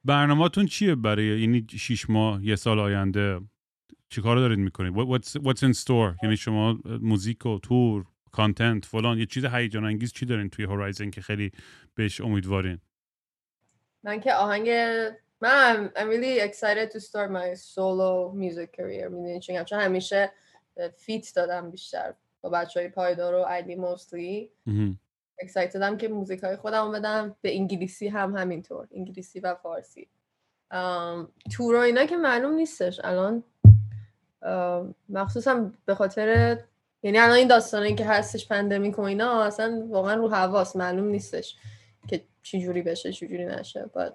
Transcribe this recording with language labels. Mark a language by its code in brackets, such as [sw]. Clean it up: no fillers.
[fa] برنامه‌تون چیه برای یعنی 6 ماه یه سال آینده چیکار دارید میکنید؟ [en] what's in store؟ [fa] یعنی شما موزیک و تور کانتنت فلان یه چیز هیجان انگیز چی دارین توی هورایزن که خیلی بهش امیدوارین؟ من که آهنگ من [en] I'm really excited to start my solo music career. [fa] میدونی چون همچنان همیشه فیت دادم بیشتر با بچه های پایدار و علی mostly. Excitedم که موزیک های خودم بدم به انگلیسی هم همینطور انگلیسی و فارسی. تور و اینا که معلوم نیستش الان، مخصوصا به خاطر یعنی الان این داستانه که هستش پندمیک و اینا اصلا واقعا رو حواس، معلوم نیستش که چی جوری بشه چی جوری نشه.